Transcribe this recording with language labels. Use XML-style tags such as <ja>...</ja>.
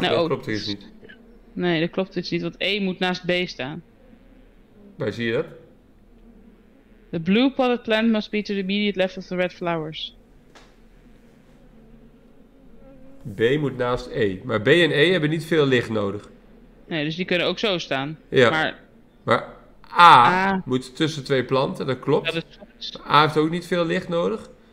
<nl>Nou, dat klopt er iets niet. Nee, dat klopt iets niet. Want E moet naast B staan. Waar zie je dat?</nl> <en>The blue potted plant must be to the immediate left of the red flowers.</en> <nl>B moet naast E. Maar B en E hebben niet veel licht nodig. Nee, dus die kunnen ook zo staan. Ja. Maar A moet tussen twee planten, dat klopt. Ja, A heeft ook niet veel licht nodig.</nl>